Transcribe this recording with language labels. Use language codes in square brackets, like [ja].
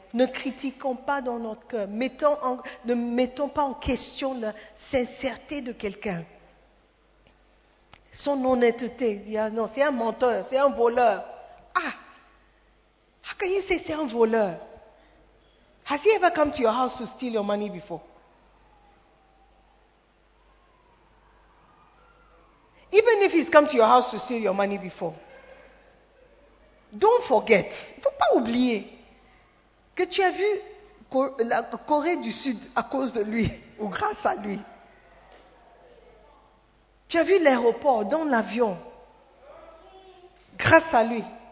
[fr] Ne critiquons pas dans notre cœur. Ne mettons pas en question la sincérité de quelqu'un. Son honnêteté. Ah non, c'est un menteur, c'est un voleur. Ah! [en] How can you say [fr] c'est un voleur? [en] Has he ever come to your house to steal your money before? Even if he's come to your house to steal your money before. Don't forget, [fr] il ne faut pas oublier que tu as vu la Corée du Sud à cause de lui ou grâce à lui. Tu as vu l'aéroport dans l'avion grâce à lui.